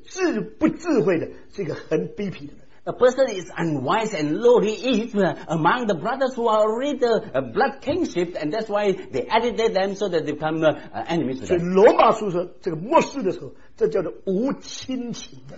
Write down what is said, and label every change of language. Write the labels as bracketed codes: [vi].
[zh] 一个人明明被生在同样的家里面，已经是兄弟，在找事故找的不同地方，把兄弟拆开，把亲情丢掉，变成各个亲人，变成仇敌，这是智不智慧的，是一个很卑鄙的人。 [en] A person is unwise and lowly if among the brothers who are already the blood kinship, and that's why they agitate them so that they become enemies. [zh] 所以罗马书说这个末世的时候，这叫做无亲情。